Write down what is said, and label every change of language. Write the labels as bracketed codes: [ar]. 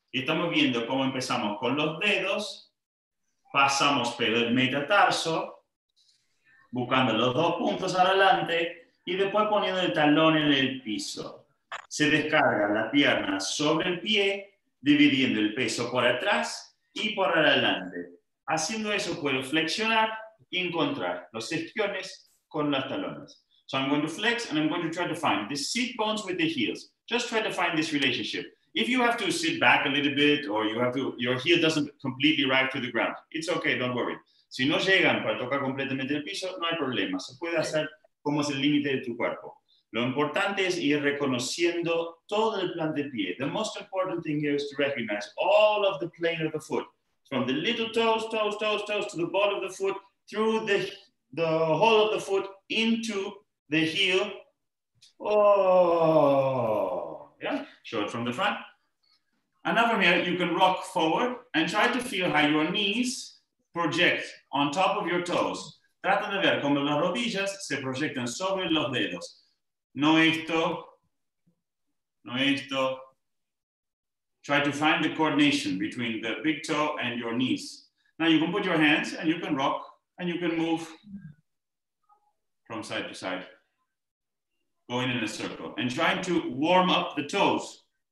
[es] Y estamos viendo cómo empezamos con los dedos, pasamos pelo del metatarso, buscando los dos puntos adelante y después poniendo el talón en el piso. Se descarga la pierna sobre el pie, dividiendo el peso por atrás y por adelante. Haciendo eso puedo flexionar y encontrar los isquiones con los talones. [en] So I'm going to flex and I'm going to try to find the sit bones with the heels. Just try to find this relationship. If you have to sit back a little bit or you have to, your heel doesn't completely ride to the ground, it's okay, don't worry. [es] Si no llegan para tocar completamente el piso, no hay problema. Se puede hacer como es el límite de tu cuerpo. Lo importante es ir reconociendo todo el plan de pie. [en] The most important thing here is to recognize all of the plane of the foot. From the little toes, to the ball of the foot, through the whole of the foot, into the heel. Oh, yeah, short from the front. And now from here, you can rock forward and try to feel how your knees project on top of your toes. [es] Trata de ver cómo las rodillas se proyectan sobre los dedos. No esto. [en] Try to find the coordination between the big toe and your knees. Now you can put your hands and you can rock and you can move from side to side, going in a circle and trying to warm up the toes.